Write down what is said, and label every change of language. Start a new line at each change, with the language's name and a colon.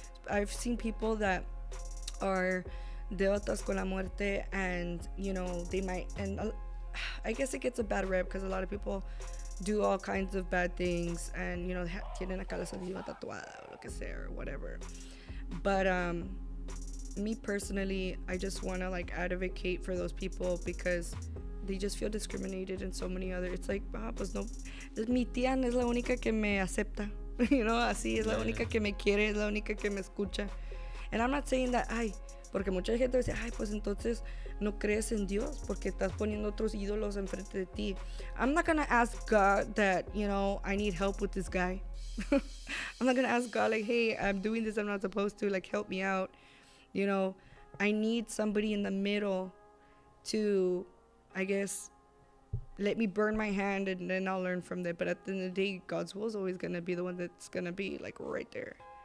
English: I've seen people that are
Spanish: devotas con la muerte,
English: and you know, they might, and I guess it gets a bad rep because a lot of people do all kinds of bad things, and you know,
Spanish: tienen acá la Santa tatuada o lo que sea,
English: or whatever. But me personally, I just want to like advocate for those people because they just feel discriminated in so many other. It's like,
Spanish: ah, pues no, mi tía es la única que me acepta, you know, así es la única que me quiere, es la única que me escucha.
English: And I'm not saying that,
Spanish: ay, porque mucha gente dice, ay, pues entonces no crees en Dios porque estás poniendo otros ídolos enfrente de ti.
English: I'm not gonna ask God that, you know, I need help with this guy. I'm not gonna ask God, like, hey, I'm doing this, I'm not supposed to, like, help me out. You know, I need somebody in the middle to, I guess, let me burn my hand and then I'll learn from there. But at the end of the day, God's will is always gonna be the one that's gonna be, like, right there.